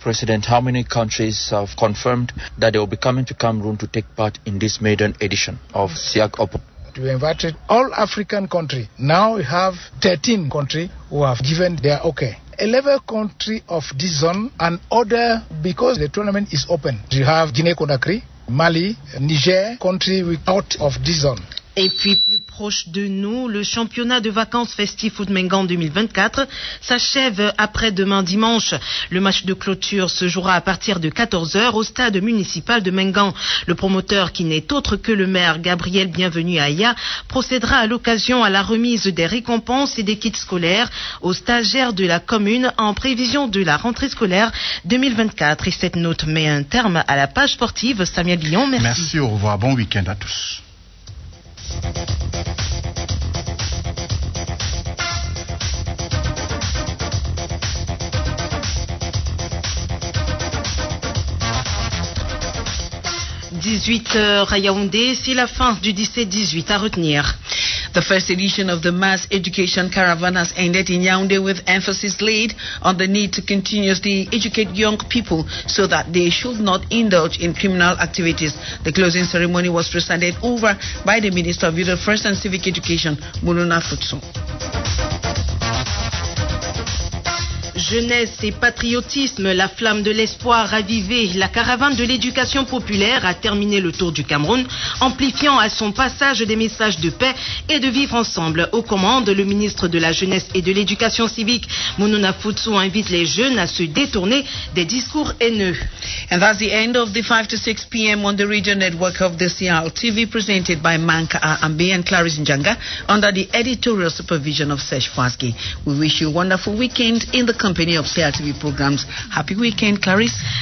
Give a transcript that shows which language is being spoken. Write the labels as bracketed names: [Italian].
[English] President, how many countries have confirmed that they will be coming to Cameroon to take part in this maiden edition of SIAC Open? We invited all African countries. Now we have 13 countries who have given their okay. 11 countries of this zone and other, because the tournament is open. We have Guinea-Conakry, Mali, Niger, country out of this zone. [French] Et puis plus proche de nous, le championnat de vacances festif Oudmengan 2024 s'achève après-demain dimanche. Le match de clôture se jouera à partir de 14h au stade municipal de Mengan. Le promoteur, qui n'est autre que le maire Gabriel Bienvenu Aya, procédera à l'occasion à la remise des récompenses et des kits scolaires aux stagiaires de la commune en prévision de la rentrée scolaire 2024. Et cette note met un terme à la page sportive. Samuel Guillon, merci. Merci, au revoir, bon week-end à tous. À Yaoundé, c'est la fin du 17-18 à retenir. [English] The first edition of the mass education caravan has ended in Yaoundé, with emphasis laid on the need to continuously educate young people so that they should not indulge in criminal activities. The closing ceremony was presided over by the Minister of Youth Affairs and Civic Education, Mounouna Foutsou. [French] Jeunesse et patriotisme, la flamme de l'espoir ravivée. La caravane de l'éducation populaire a terminé le tour du Cameroun, amplifiant à son passage des messages de paix et de vivre ensemble. Aux commandes, le ministre de la Jeunesse et de l'Éducation civique, Mounouna Foutsou, invite les jeunes à se détourner des discours haineux. [English] And that's the end of the 5 to 6 p.m. on the Region Network of the CRTV, presented by Manka Ambe and Clarice Njanga, under the editorial supervision of Serge Fasgi. We wish you a wonderful weekend in the company of CRTV programs. Happy weekend, Clarice.